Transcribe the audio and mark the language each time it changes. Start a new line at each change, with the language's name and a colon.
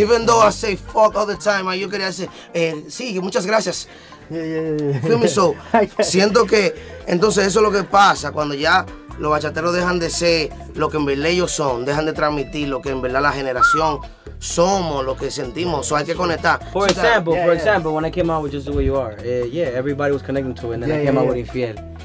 English: Even though I say fuck all the time, and you could say,
Spanish: sí, muchas gracias.
English: Yeah.
Spanish: So, siento que, entonces eso es lo que pasa, cuando ya los bachateros dejan de ser lo que en verdad ellos son, dejan de transmitir lo que en verdad la generación somos, lo que sentimos, so hay que conectar.
English: For example, when I came out with Just The Way You Are, everybody was connecting to it, and then I came out with Infiel.